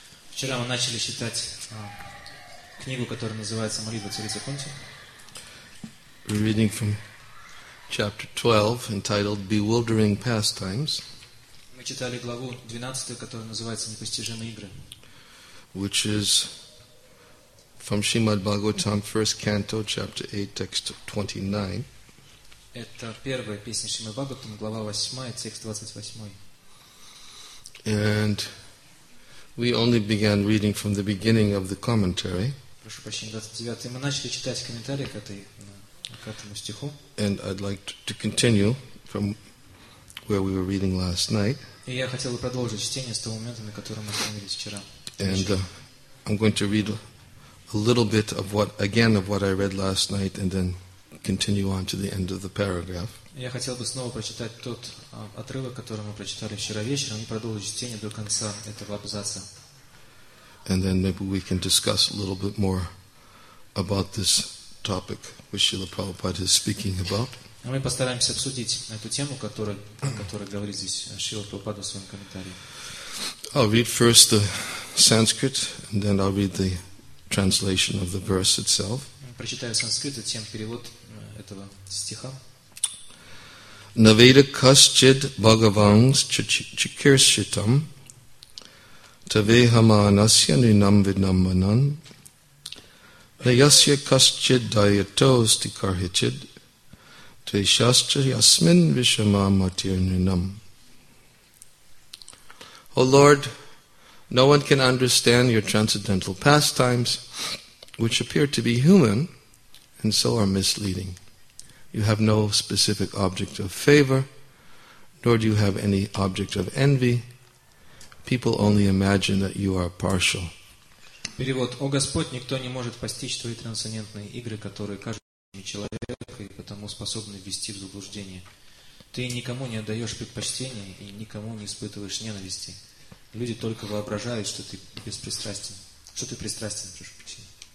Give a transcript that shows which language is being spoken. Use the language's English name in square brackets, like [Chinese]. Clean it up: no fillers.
[Russian] Вчера мы начали читать книгу, которая называется «Молитва царицы Кунти». [English] We're reading from chapter 12, entitled "Bewildering Pastimes." [Russian] Мы читали главу 12, которая называется «Непостижимые игры». [English] Which is from Shrimad Bhagavatam, first canto, chapter 8, text 29. [Russian] Это первая песня Шримад Бхагаватам, глава 8, текст 28. [English] And we only began reading from the beginning of the commentary. [Russian] Прошу прощения, 29. Мы начали читать комментарий к этому стиху. [English] And I'd like to continue from where we were reading last night. [Russian] И я хотел бы продолжить чтение с того момента, на котором мы остановились вчера. [English] And I'm going to read a little bit of what again of what I read last night, and then continue on to the end of the paragraph. [Russian] Я хотел бы снова прочитать тот отрывок, который мы прочитали вчера вечером, и продолжить чтение до конца этого абзаца. [English] And then maybe we can discuss a little bit more about this topic which Srila Prabhupada is speaking about. [Russian] Мы постараемся обсудить эту тему, которая говорит здесь Шрила Прабхупада в своем комментарии. [English] I'll read first the Sanskrit, and then I'll read the translation of the verse itself. [Russian] Прочитаю санскрит, затем перевод этого стиха. [Sanskrit] Наведа касчид бхагаванс чикиршитам тавехаманасья нинам виднамманан наясья касчид дайято стикархичид тешасча ясмин вишама матир нинам. [English] O Lord, no one can understand your transcendental pastimes, which appear to be human and so are misleading. You have no specific object of favor, nor do you have any object of envy. People only imagine that you are partial. [Russian] Перевод. О Господь, никто не может постичь твои трансцендентные игры, которые каждый человек и потому способны ввести в заблуждение. Ты никому не отдаешь предпочтения и никому не испытываешь ненависти. Люди только воображают, что ты беспристрастен. Что ты пристрастен, прошу прощения.